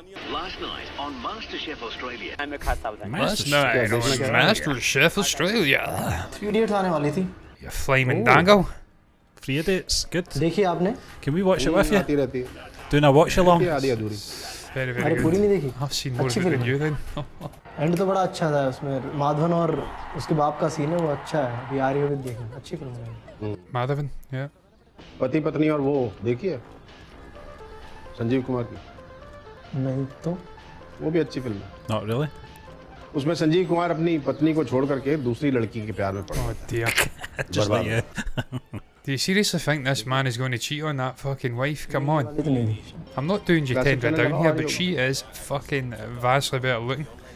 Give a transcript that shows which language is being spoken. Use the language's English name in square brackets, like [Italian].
[English] Last night on MasterChef Australia. MasterChef Australia. [Hindi] Three idiots aane wali thi. [English] You flaming dangle. Three idiots, good. [Hindi] Dekhi aapne. [English] Can we watch it with you? Doing a watch along. Very, very good. I've seen more of it than you then. [Hindi] End तो बड़ा अच्छा था उसमें माधवन और उसके बाप का scene है वो अच्छा है अभी आ रही है देखिए अच्छी फिल्म है [English] Madhavan yeah [Hindi] पति पत्नी और वो देखिए संजीव कुमार की नहीं तो वो भी अच्छी फिल्म है [English] not really [Hindi] उसमें संजीव कुमार अपनी पत्नी को छोड़ करके दूसरी लड़की के प्यार में पड़ा है [English] Do you seriously think this man is going to cheat on that fucking wife? Come on. I'm not doing Jitendra down here, but she is fucking vastly better looking.